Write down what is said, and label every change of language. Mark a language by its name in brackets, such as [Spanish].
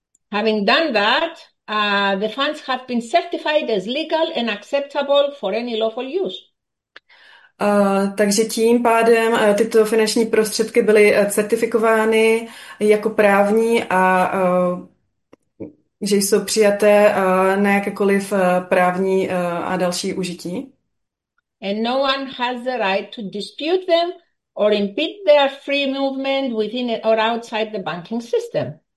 [English] Having done that, the funds have been certified as legal and acceptable for any lawful use. [Czech] Takže tím pádem tyto finanční prostředky byly certifikovány jako právní a že jsou přijaté na jakékoliv právní a další užití. [English] And no one has the right to dispute them or impede their free movement within or outside the banking system.